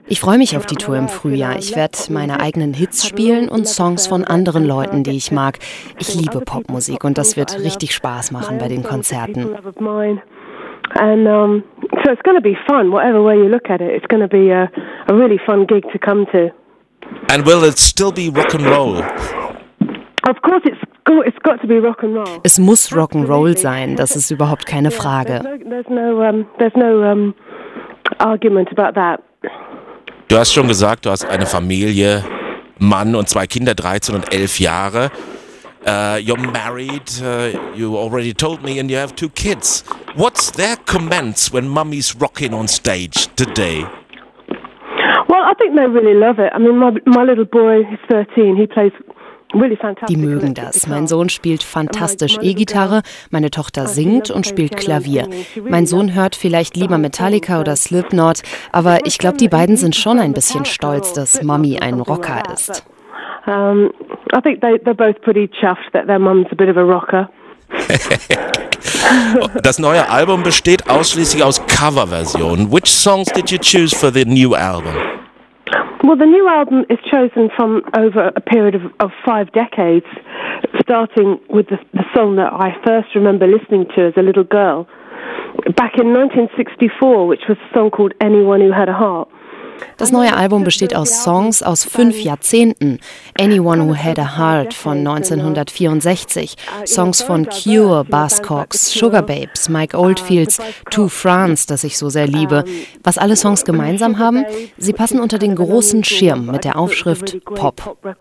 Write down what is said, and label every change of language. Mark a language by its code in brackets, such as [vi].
[de] Ich freue mich auf die Tour im Frühjahr. Ich werde meine eigenen Hits spielen und Songs von anderen Leuten, die ich mag. Ich liebe Popmusik und das wird richtig Spaß machen bei den Konzerten. [en] And so it's going to be fun, whatever way you look at it. It's going to be a really fun gig to come to. And will it still be rock and roll? Of course it's got to be rock and roll. [de] Es muss rock and roll sein, das ist überhaupt keine Frage. [en] There's no argument about that. [de] Du hast schon gesagt, du hast eine Familie, Mann und zwei Kinder, 13 und 11 Jahre. [en] You're married, you already told me, and you have two kids. What's their comments when mummy's rocking on stage today? Well, I think they really love it. I mean, my little boy is 13, he plays really fantastic. [de] Die mögen das. Mein Sohn spielt fantastisch E-Gitarre, meine Tochter singt und spielt Klavier. Mein Sohn hört vielleicht lieber Metallica oder Slipknot, aber ich glaube, die beiden sind schon ein bisschen stolz, dass Mummy ein Rocker ist. [en] I think they're both pretty chuffed that their mum's a bit of a rocker. [de] Das neue Album besteht ausschließlich aus Coverversionen. [en] Which songs did you choose for the new album? Well, the new album is chosen from over a period of 5 decades, starting with the song that I first remember listening to as a little girl. Back in 1964, which was a song called Anyone Who Had a Heart. [de] Das neue Album besteht aus Songs aus 5 Jahrzehnten. Anyone Who Had a Heart von 1964, Songs von Cure, Buzzcocks, Sugar Babes, Mike Oldfields, To France, das ich so sehr liebe. Was alle Songs gemeinsam haben? Sie passen unter den großen Schirm mit der Aufschrift Pop.